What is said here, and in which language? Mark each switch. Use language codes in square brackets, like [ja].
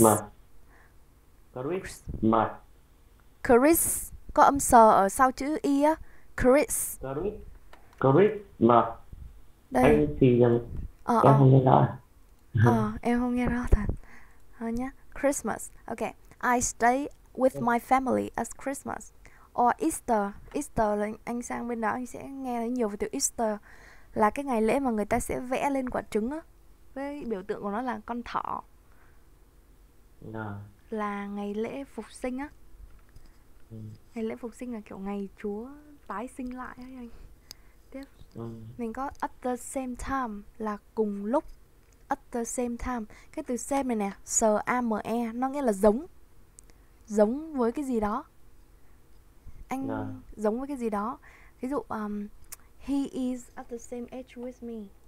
[en] Christmas. Christmas. [vi] Chris, có âm sờ ở sau chữ y á, Chris. [en] Christmas. Christmas. [vi] Đây, Anh thì em không nghe rõ. em không nghe rõ thật, thôi nhá. [en] Christmas, okay. I stay with my family at Christmas or Easter. [vi] Easter là anh sang bên đó anh sẽ nghe thấy nhiều về từ Easter, là cái ngày lễ mà người ta sẽ vẽ lên quả trứng á. Với biểu tượng của nó là con thỏ, Nào. là ngày lễ phục sinh á. Ừ. Ngày lễ phục sinh là kiểu ngày Chúa tái sinh lại ấy anh. Tiếp, Ừ. mình có [en] at the same time [vi] là cùng lúc. [en] At the same time, [vi] cái từ same này nè, same, nó nghĩa là giống, giống với cái gì đó. Nào. Anh giống với cái gì đó. Ví dụ [en] he is at the same age with me.